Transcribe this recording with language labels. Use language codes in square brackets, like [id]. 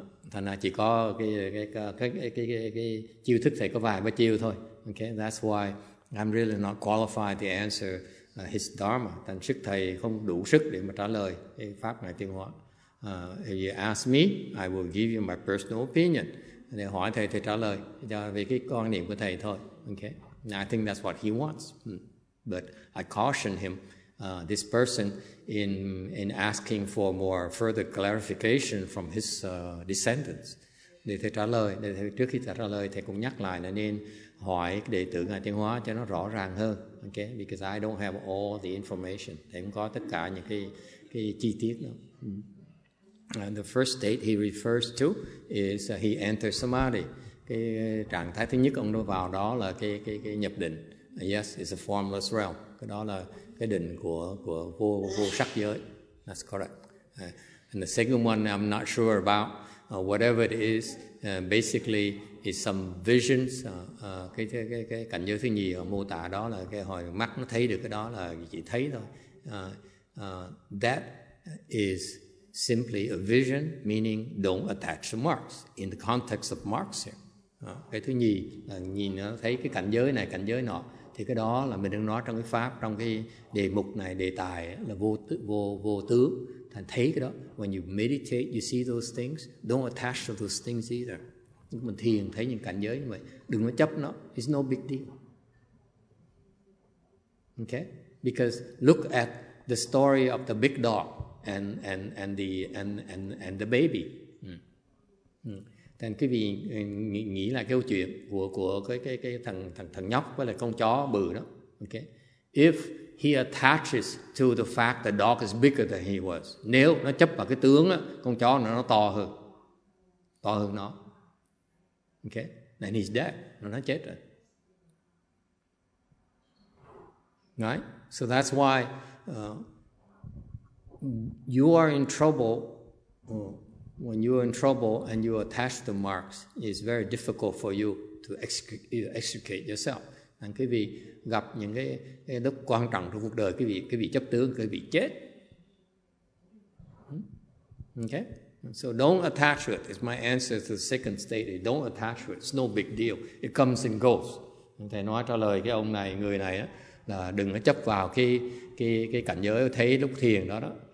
[vi] Thành chỉ có cái chiêu thức thầy có vài ba chiêu thôi. [en] Okay, that's why I'm really not qualified to answer his dharma. [vi] Thành sức thầy không đủ sức để mà trả lời cái pháp này Tiên Hóa. [en] If you ask me, I will give you my personal opinion. [vi] Để hỏi thầy thì trả lời cho về cái quan niệm của thầy thôi. [en] Okay, I think that's what he wants. But I caution him, this person, in asking for more further clarification from his descendants. [vi] Để thầy trả lời, để thầy, trước khi trả lời, thầy cũng nhắc lại là nên hỏi đệ tử ngài Tiên Hóa cho nó rõ ràng hơn. [en] Okay, because I don't have all the information. [vi] Thầy không có tất cả những cái chi tiết đó. [en] And the first state he refers to is he enters samadhi. [vi] Cái trạng thái thứ nhất ông đưa vào đó là cái nhập định. [en] Yes, it's a formless realm. [vi] Cái đó là cái định của vô sắc giới. [en] That's correct. And the second one I'm not sure about. Whatever it is, basically is some visions. [vi] Cái cảnh giới thứ nhì mô tả đó là cái hồi mắt nó thấy được cái đó là chỉ thấy thôi. [en] That is simply a vision, meaning don't attach the marks in the context of marks here. [vi] Cái thứ nhì là nhìn nó thấy cái cảnh giới này, cảnh giới nọ, thì cái đó là mình đang nói trong cái pháp, trong cái đề mục này, đề tài là vô tướng. Thành thấy cái đó, [en] when you meditate, you see those things, don't attach to those things either. [vi] Mình thiền thấy những cảnh giới như vậy, đừng có chấp nó, [en] it's no big deal. Okay, because look at the story of the big dog. And the baby. [vi] Thành quý vị nghĩ là câu chuyện của cái thằng nhóc với là con chó bự đó. [en] Okay. If he attaches to the fact the dog is bigger than he was, [vi] nếu nó chấp vào cái tướng á, con chó nó to hơn nó. [en] Okay. Then he's dead. [vi] Nó chết rồi. [en] Right. So that's why. You are in trouble. When you are in trouble and you attach the marks, it's very difficult for you to extricate yourself. [vi] And quý vị gặp những cái lúc quan trọng trong cuộc đời, quý vị chấp tướng, quý vị chết. [en] Okay? So don't attach to it. It's my answer to the second state. Don't attach to it. It's no big deal. It comes and goes. [vi] Thầy nói trả lời cái ông này, người này, là đừng có chấp vào cái cảnh giới thấy lúc thiền đó đó.